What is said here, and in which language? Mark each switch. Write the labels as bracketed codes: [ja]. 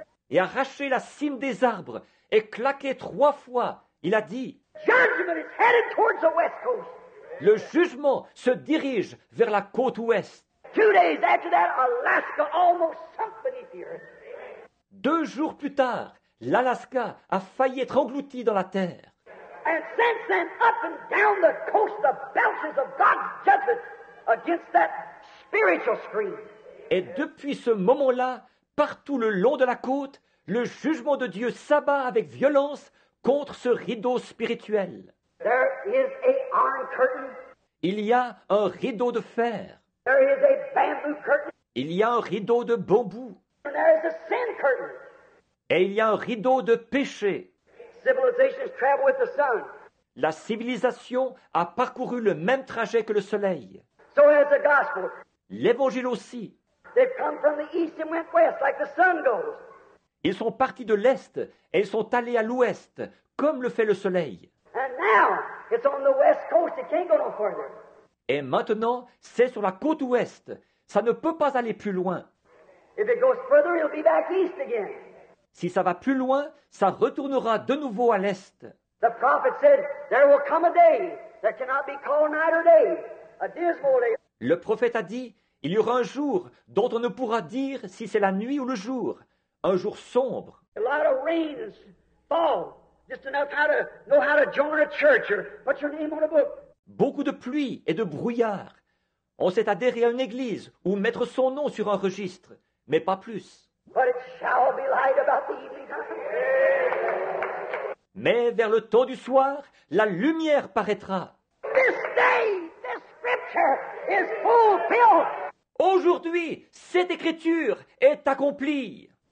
[fr] Et arraché la cime des arbres et claqué 3 fois, il a dit, [en] judgment is headed towards the west coast. [fr] Le jugement se dirige vers la côte ouest. [en] 2 days after that, Alaska almost sunk beneath the earth. [fr] 2 jours plus tard, l'Alaska a failli être englouti dans la terre. [en] And since then, up and down the coast, the belches of God's judgment against that spiritual stream. [fr] Et depuis ce moment-là, partout le long de la côte, le jugement de Dieu s'abat avec violence contre ce rideau spirituel. [en] There is a iron curtain. [fr] Il y a un rideau de fer. [en] There is a bamboo curtain. [fr] Il y a un rideau de bambou. [en] And there is a sin curtain. [fr] Et il y a un rideau de péché. [en] Civilizations travel with the sun. [fr] La civilisation a parcouru le même trajet que le soleil. [en] So has the gospel. [fr] L'évangile aussi. [en] They've come from the east and went west, like the sun goes. [fr] Ils sont partis de l'est et ils sont allés à l'ouest, comme le fait le soleil. [en] And now it's on the west coast. It can't go no further. [fr] Et maintenant, c'est sur la côte ouest. Ça ne peut pas aller plus loin. [en] If it goes further, it'll be back east again. [fr] Si ça va plus loin, ça retournera de nouveau à l'est. [en] The prophet said, there will come a day that cannot be called night or day, a dismal day. [fr] Le prophète a dit, il y aura un jour dont on ne pourra dire si c'est la nuit ou le jour, un jour sombre. [en] A lot of rain fall, just enough how to know how to join a church or put your name on a book. [fr] Beaucoup de pluie et de brouillard. On sait adhérer à une église ou mettre son nom sur un registre, mais pas plus. [en] But it shall be light about the evening time. [fr] Mais vers le temps du soir, la lumière paraîtra. [en] This day, this scripture is fulfilled. [fr] Aujourd'hui, cette écriture est accomplie.